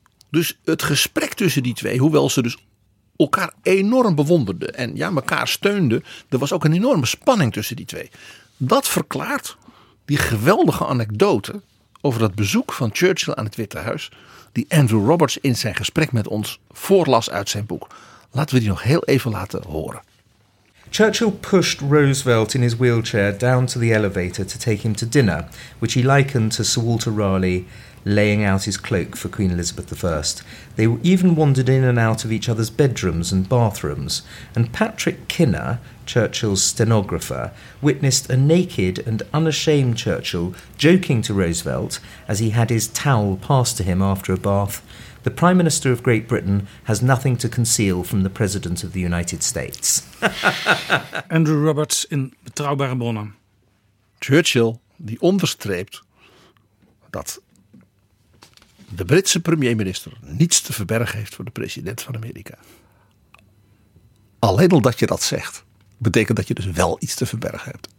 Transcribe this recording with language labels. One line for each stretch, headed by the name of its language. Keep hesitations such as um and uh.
Dutch: Dus het gesprek tussen die twee, hoewel ze dus elkaar enorm bewonderden en ja, elkaar steunden, er was ook een enorme spanning tussen die twee. Dat verklaart die geweldige anekdote over dat bezoek van Churchill aan het Witte Huis, die Andrew Roberts in zijn gesprek met ons voorlas uit zijn boek. Laten we die nog heel even laten horen.
English: Churchill pushed Roosevelt in his wheelchair down to the elevator to take him to dinner, which he likened to Sir Walter Raleigh. laying out his cloak for Queen Elizabeth I. They even wandered in and out of each other's bedrooms and bathrooms, and Patrick Kinner, Churchill's stenographer, witnessed a naked and unashamed Churchill joking to Roosevelt as he had his towel passed to him after a bath. The Prime Minister of Great Britain has nothing to conceal from the President of the United States.
Dutch: Andrew Roberts in Betrouwbare Bronnen. Churchill, die onderstreept dat de Britse premierminister niets te verbergen heeft voor de president van Amerika. Alleen omdat al dat je dat zegt, betekent dat je dus wel iets te verbergen hebt.